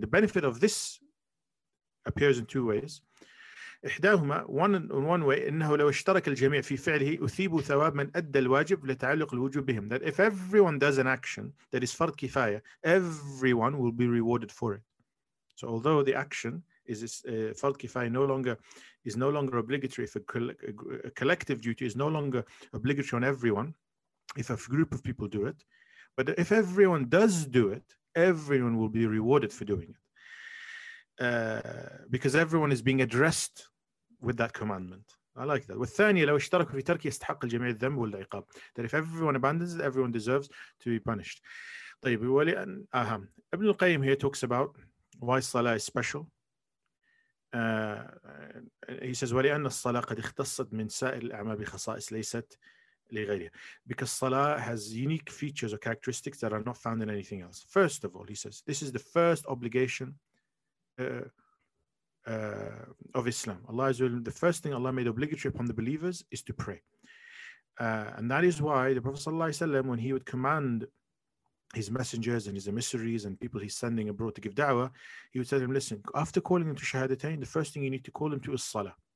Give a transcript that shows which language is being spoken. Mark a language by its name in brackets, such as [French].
[English] The benefit of this appears in two ways. [Arabic] إحداهما, [English] one way, [Arabic] إنه لو اشترك الجميع في فعله أثيب ثواب من أدى الواجب لتعلق الوجوب بهم. [English] That if everyone does an action that is فرض كفاية, everyone will be rewarded for it. So although the action is فرض كفاية is no longer obligatory, if a collective duty is no longer obligatory on everyone, if a group of people do it, but if everyone does do it, everyone will be rewarded for doing it. Because everyone is being addressed with that commandment. I like that. [Arabic] والثانية لو اشتركوا في تركي يستحق الجميع الذنب والعقاب. [English] That if everyone abandons it, everyone deserves to be punished. [Arabic] طيب, ولأن أهم. [English] Ibn al-Qayyim here talks about why salah is special. He says, [Arabic] ولأن الصلاة قد اختصت من سائر الأعمال بخصائص ليست لغيرها. [English] Because salah has unique features or characteristics that are not found in anything else. First of all, he says, this is the first obligation of Islam. Allah Azza wa Jalla, the first thing Allah made obligatory upon the believers is to pray. And that is why the Prophet Sallallahu Alaihi Wasallam, when he would command his messengers and his emissaries and people he's sending abroad to give da'wah, he would tell them, listen, after calling them to shahadatain, the first thing you need to call them to is salah.